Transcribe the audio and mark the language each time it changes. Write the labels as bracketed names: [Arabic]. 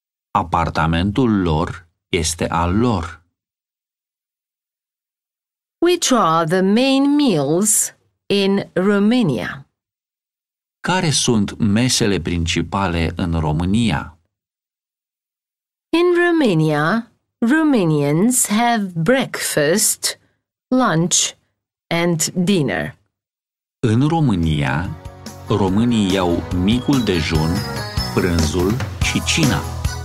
[Romanian] Apartamentul lor este al lor. [English] Which are the main meals in Romania? [Romanian] Care sunt mesele principale în România? [English] In Romania, Romanians have breakfast, lunch and dinner. [Romanian] În România, românii iau micul dejun, prânzul și cina.